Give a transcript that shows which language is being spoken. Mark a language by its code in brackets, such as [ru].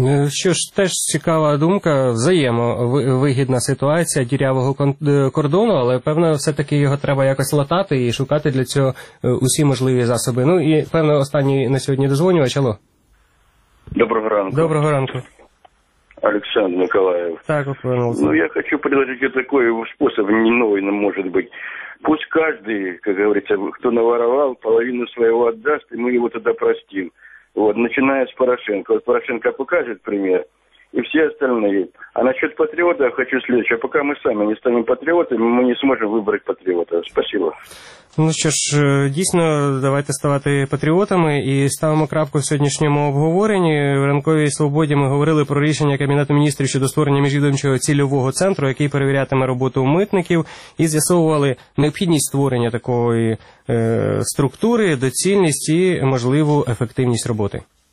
[uk] Що ж, теж цікава думка, взаємовигідна ситуація дірявого кордону, але, певно, все-таки його треба якось латати і шукати для цього усі можливі засоби. Ну, і, певно, останній на сьогодні дозвонювач, алло. Доброго ранку. Доброго ранку. Олександр Миколаїв. Так, опинулся. Ну, я хочу предложити такий спосіб, не новий не може бути. [ru] Пусть каждый, как говорится, кто наворовал, половину своего отдаст, и мы его тогда простим. Вот, начиная с Порошенко. Вот Порошенко покажет пример, и все остальные. А насчет патриотов хочу следующее. Пока мы сами не станем патриотами, мы не сможем выбрать патриота. Спасибо. [uk] Ну що ж, дійсно, давайте ставати патріотами і ставимо крапку в сьогоднішньому обговоренні. В ранковій свободі ми говорили про рішення Кабінету міністрів щодо створення міжвідомчого цільового центру, який перевірятиме роботу митників, і з'ясовували необхідність створення такої структури, доцільність і можливу ефективність роботи.